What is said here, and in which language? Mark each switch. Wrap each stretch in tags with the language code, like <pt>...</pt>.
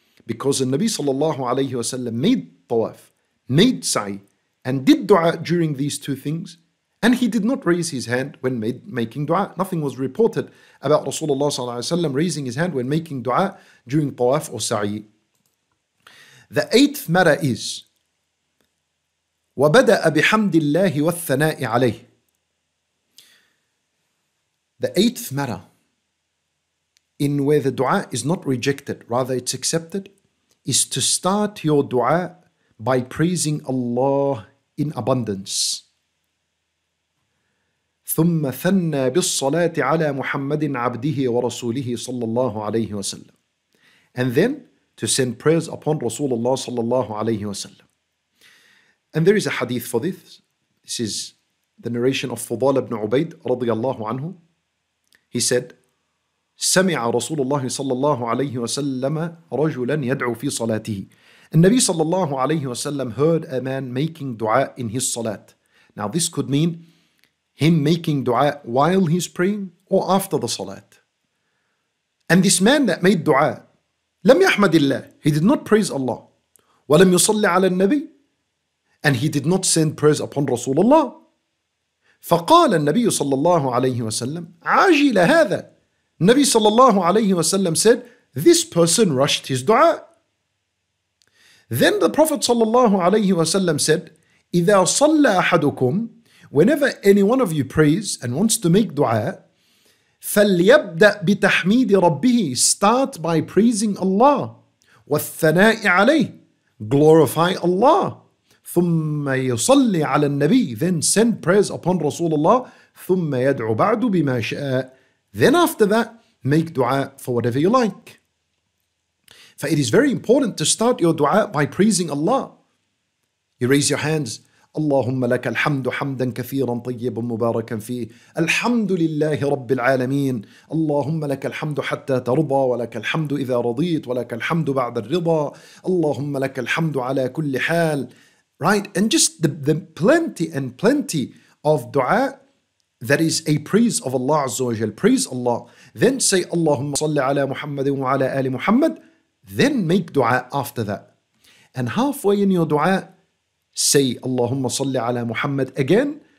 <en>Because the Nabi sallallahu alayhi wa sallam made tawaf, made sa'i, and did dua during these two things. And he did not raise his hand when making dua. Nothing was reported about Rasulullah sallallahu alayhi wa sallam raising his hand when making dua during tawaf or sa'i. The 8th matter is,</en> <ar>وَبَدَأَ بِحَمْدِ اللَّهِ وَالثَّنَاءِ عَلَيْهِ.</ar> <en>The 8th matter, in where the dua is not rejected, rather it's accepted, is to start your dua by praising Allah in abundance.</en> <ar>ثم ثنى بالصلاة على محمد عبده ورسوله صلى الله عليه وسلم.</ar> <en>And then to send prayers upon Rasulullah صلى الله عليه وسلم. And there is a hadith for this. This is the narration of Fudal ibn Ubaid رضي الله عنه. He said,</en> <ar>سمع رسول الله صلى الله عليه وسلم رجلا يدعو في صلاته.</ar> <en>النبي صلى الله عليه وسلم heard a man making dua in his salat. Now this could mean him making dua while he's praying or after the salat. And this man that made dua,</en> <ar>لم يحمد الله,</ar> <en>he did not praise Allah,</en> <ar>ولم يصلي على النبي,</ar> <en>and he did not send prayers upon Rasulullah.</en> <ar>فقال النبي صلى الله عليه وسلم عاجل هذا.</ar> <en>النبي صلى الله عليه وسلم said, this person rushed his dua. Then the Prophet صلى الله عليه وسلم said,</en> <ar>إذا صلى أحدكم,</ar> <en>whenever any one of you prays and wants to make dua,</en> <ar>فَلْيَبْدَأْ بِتَحْمِيدِ رَبِّهِ,</ar> <en>start by praising Allah.</en> <ar>وَالثَّنَاءِ عَلَيْهِ,</ar> <en>glorify Allah.</en> <ar>ثُمَّ يُصَلِّ عَلَى النَّبِي,</ar> <en>then send prayers upon Rasulullah.</en> <ar>ثُمَّ يَدْعُ بَعْدُ بِمَا شَاءَ,</ar> <en>then after that, make dua for whatever you like. For it is very important to start your dua by praising Allah. You raise your hands.</en> <ar>اللهم لك الحمد حمدا كثيرا طيبا مباركا فيه الحمد لله رب العالمين اللهم لك الحمد حتى ترضى ولك الحمد إذا رضيت ولك الحمد بعد الرضا اللهم لك الحمد على كل حال.</ar> <en>Right, and just the plenty and plenty of dua that is a praise of Allah Azza wa Jal. Praise Allah, then say</en> <ar>اللهم صل على محمد وعلى آل محمد,</ar> <en>then make dua after that. And halfway in your dua, say Allahumma salli ala Muhammad again,</en>